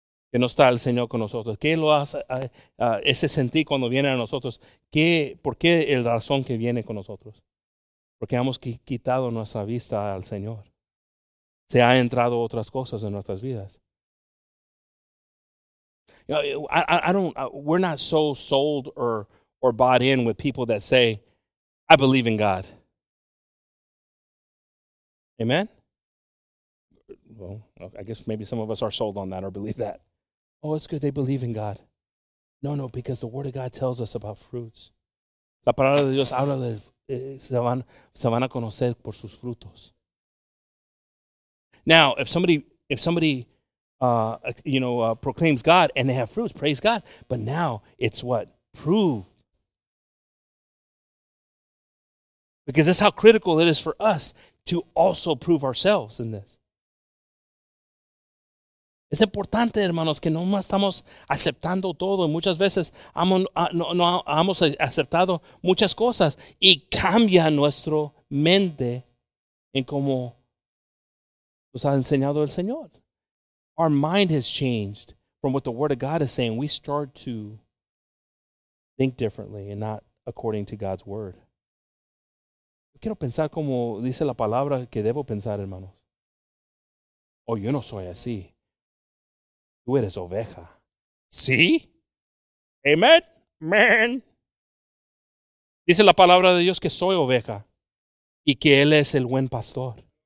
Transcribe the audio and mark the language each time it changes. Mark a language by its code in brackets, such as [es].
[es] Que no está el Señor con nosotros. ¿Qué lo hace ese sentir cuando viene a nosotros? ¿Por qué el razón que viene con nosotros? Porque hemos quitado nuestra vista al Señor. Se han entrado otras cosas en nuestras vidas. [en] You know, we're not so sold or bought in with people that say, I believe in God. Amen? Well, I guess maybe some of us are sold on that or believe that. Oh, it's good they believe in God. No, because the Word of God tells us about fruits. [es] La palabra de Dios habla de se van a conocer por sus frutos. [en] Now, if somebody proclaims God and they have fruits, praise God. But now it's what? Prove. Because that's how critical it is for us to also prove ourselves in this. [es] Es importante, hermanos, que no estamos aceptando todo. Muchas veces hemos aceptado muchas cosas y cambia nuestra mente en cómo nos ha enseñado el Señor. [en] Our mind has changed from what the Word of God is saying. We start to think differently and not according to God's Word. [es] Yo quiero pensar como dice la palabra que debo pensar, hermanos. Oh, yo no soy así. Tú eres oveja. ¿Sí? Amen. Man. Dice la palabra de Dios que soy oveja y que Él es el buen pastor.